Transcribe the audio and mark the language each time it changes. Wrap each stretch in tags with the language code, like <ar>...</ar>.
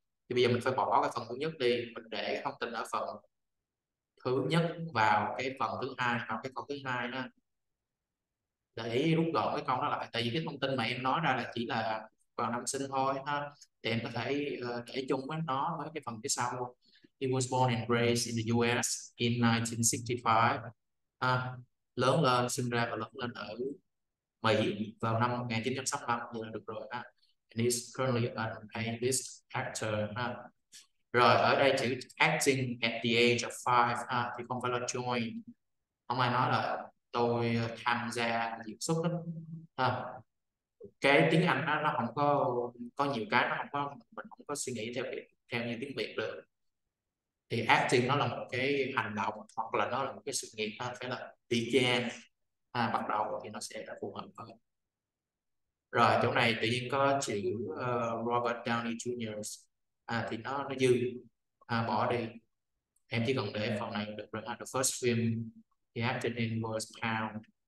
<vi>Thì bây giờ mình phải bỏ cái phần thứ nhất đi, mình để thông tin ở phần thứ nhất vào cái phần thứ hai hoặc cái câu thứ hai đó. Để rút gọn cái câu đó lại, tại vì cái thông tin mà em nói ra là chỉ là vào năm sinh thôi ha. Thì em có thể để chung với nó với cái phần phía sau.</vi> <en>He was born and raised in the US in 1965.</en> <vi>Lớn lên, sinh ra và lớn lên ở Mỹ vào năm 1965 thì là được rồi ha.</vi> <en>And he's currently an A-list actor ha.</en> <vi>Rồi ở đây chữ</vi> <en>acting at the age of 5</en> <vi>ha, thì không phải là join. Không ai nói là tôi tham gia diễn xuất đó ha. Cái tiếng Anh đó, nó không có nhiều cái nó không có, mình không có suy nghĩ theo như tiếng Việt được. Thì acting nó là một cái hành động hoặc là nó là một cái sự nghiệp, nó phải là began, bắt đầu thì nó sẽ phù hợp hơn. Rồi chỗ này tự nhiên có chữ Robert Downey Jr. Thì nó dư, bỏ đi. Em chỉ cần để phần này được rồi.</vi> <en>The first film he acted in was Pound.</en>